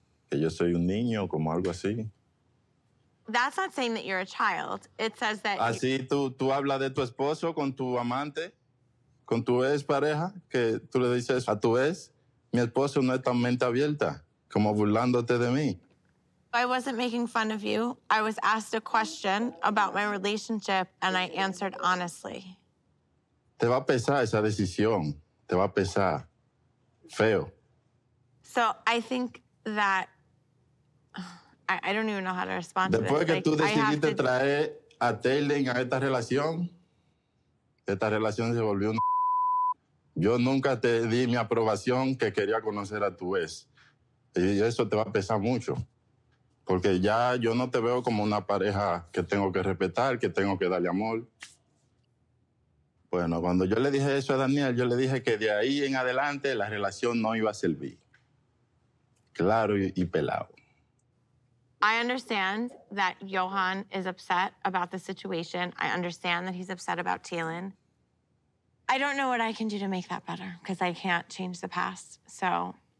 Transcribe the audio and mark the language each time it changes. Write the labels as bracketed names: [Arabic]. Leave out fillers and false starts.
[Spanish] Que yo soy un niño, como algo así. [English] That's not saying that you're a child. It says that... [Spanish] Así tú hablas de tu esposo con tu amante, con tu ex pareja, que tú le dices a tu ex, mi esposo no es tan mente abierta, como burlándote de mí. [English] I wasn't making fun of you. I was asked a question about my relationship, and I answered honestly. [Spanish] Te va a pesar esa decisión. Te va a pesar. Feo. [English] So I think that... I don't even know how to respond [Spanish] después [English] to this. [Spanish] Después que, like, tú decidiste traer a Taylan a esta relación se volvió una... Yo nunca te di mi aprobación que quería conocer a tu ex. Y eso te va a pesar mucho. Porque ya yo no te veo como una pareja que tengo que respetar, que tengo que darle amor. Bueno, cuando yo le dije eso a Daniel, yo le dije que de ahí en adelante la relación no iba a servir. Claro y pelado. [English] I understand that Yohan is upset about the situation. I understand that he's upset about Taylan. I don't know what I can do to make that better, because I can't change the past, so...